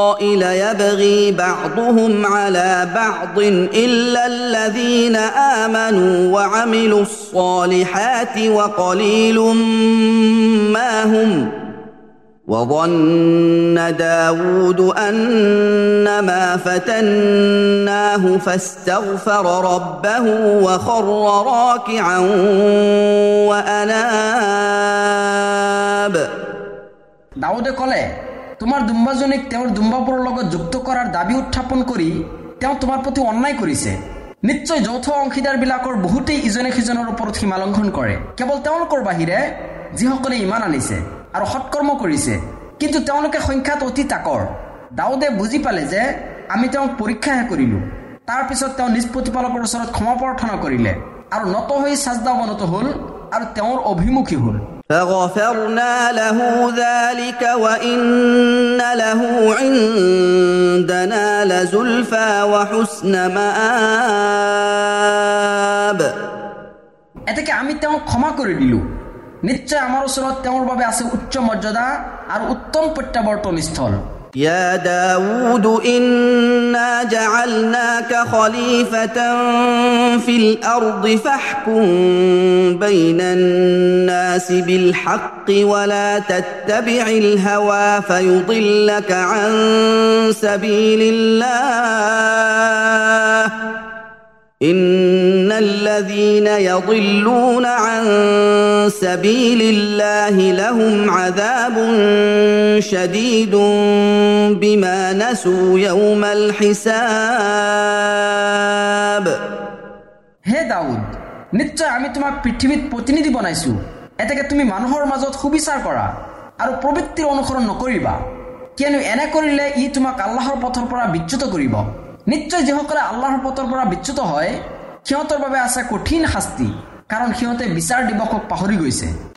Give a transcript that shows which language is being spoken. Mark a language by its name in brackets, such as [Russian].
[Arabic] إلا يبغي بعضهم على بعض إلا الذين آمنوا وعملوا الصالحات وقليل ما هم وظن داود أنما فتناه فاستغفر ربه وخر راكعا وأناب। داود قال, [Assamese] তোমাৰ ডুম্বাজনীক তেওঁৰ ডুম্বাবোৰৰ লগত যুক্ত কৰাৰ দাবী উত্থাপন কৰি তেওঁ তোমাৰ প্ৰতি অন্যায় কৰিছে। নিশ্চয় যৌথ অংশীদাৰবিলাকৰ বহুতেই ইজনে সিজনৰ ওপৰত সীমা লংঘন কৰে, কেৱল তেওঁলোকৰ বাহিৰে যিসকলে ইমান আনিছে আৰু সৎকৰ্ম কৰিছে, কিন্তু তেওঁলোকে সংখ্যাত অতি তাকৰ। দাউদে বুজি পালে যে আমি তেওঁক পৰীক্ষাহে কৰিলোঁ। তাৰপিছত তেওঁ নিজ প্ৰতিপালকৰ ওচৰত ক্ষমা প্ৰাৰ্থনা কৰিলে আৰু নত হৈ ছাজদা অৱনত হ'ল আৰু তেওঁৰ অভিমুখী হ'ল। [Arabic] فغفرنا له ذلك وإن له عندنا لزلفى وحسن مآب। [Assamese] এতেকে আমি তেওঁ ক্ষমা করে দিলু, নিশ্চয় আমার ওচৰত তেওঁৰ বাবে আছে উচ্চ মর্যাদা আর উত্তম প্রত্যাবর্তন স্থল। [Arabic] يا داود إنا جعلناك خليفة في الأرض فاحكم بين الناس بالحق ولا تتبع الهوى فيضلك عن سبيل الله إن الذين الذين يضلون عن سبيل الله لهم عذاب شديد بما نسوا يوم الحساب هي داود [Assamese] নিশ্চয় আমি তোমাক পৃথিবীত প্ৰতিনিধি বনাইছো এতেকে তুমি মানুহৰ মাজত সুবিচাৰ কৰা আৰু প্ৰবৃত্তিৰ অনুসৰণ নকৰিবা কিয়নো এনে কৰিলে ই তোমাক আল্লাহৰ পথৰ পৰা বিচ্যুত কৰিব নিশ্চয় যিসকলে আল্লাহৰ পথৰ পৰা বিচ্যুত হয় সিহঁতৰ বাবে আছে কঠিন শাস্তি কাৰণ সিহঁতে বিচাৰ দিৱসক পাহৰি গৈছে